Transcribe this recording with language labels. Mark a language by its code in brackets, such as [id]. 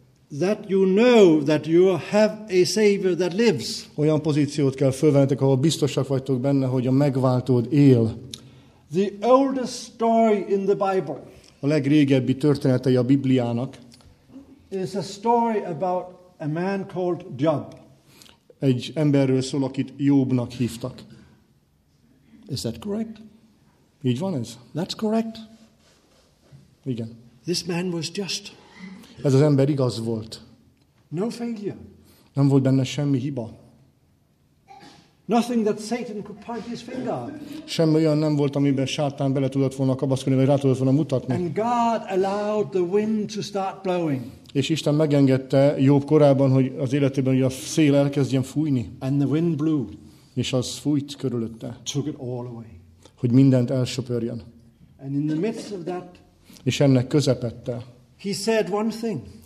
[en] That you know that you have a Savior that lives. [hu] Olyan pozíciót kell fölvennetek, ahol biztosak vagytok benne, hogy a megváltód él. [en] The oldest story in the Bible. [hu] A legrégebbi története a Bibliának. [en] Is a story about a man called Job. [hu] Egy emberről szól, akit Jobbnak hívtak. [en] Is that correct? [hu] Így van ez. [en] That's correct. [hu] Igen. [en] This man was just. [hu] Ez az ember igaz volt. [en] No failure. [hu] Nem volt benne semmi hiba. [en] Nothing that Satan could point his finger. [hu] Semmi olyan nem volt, amiben Sátán bele tudott volna kapaszkodni, vagy rá tudott volna mutatni. [en] And God allowed the wind to start blowing. [hu] És Isten megengedte Jobb korában, hogy az életében hogy a szél elkezdjen fújni. [en] And the wind blew. [hu] És az fújt körülötte. [en] Took it all away. [hu] Hogy mindent elsöpörjön. [en] And in the midst of that, [hu] és ennek közepette. [en] He said one thing.